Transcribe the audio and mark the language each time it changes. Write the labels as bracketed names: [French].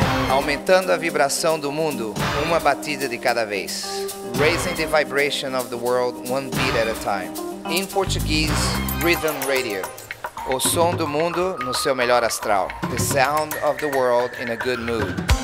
[Portuguese] Aumentando a vibração do mundo, uma batida de cada vez. [English] Raising the vibration of the world one beat at a time. In Portuguese, Rhythm Radio. [Portuguese] O som do mundo no seu melhor astral. [English] The sound of the world in a good mood.